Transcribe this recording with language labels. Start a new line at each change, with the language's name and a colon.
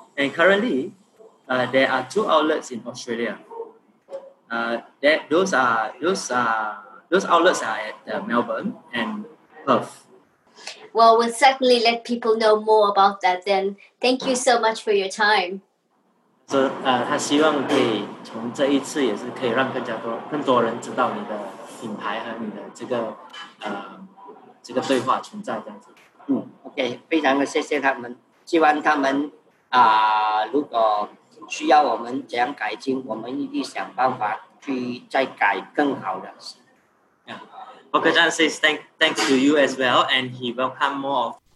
English: And currently, there are two outlets in Australia. Those outlets are at Melbourne and Perth. Well, we'll certainly let people know more about that then. Thank you so much for your time.
Chinese: So, 他希望可以从这一次也是可以让更多人知道你的品牌和你的这个对话存在这样子。 OK, 非常的谢谢他们，希望他们如果需要我们怎样改进，我们一定想办法去再改更好的。
English: Hokkachan says thanks to you as well, and he welcomes more.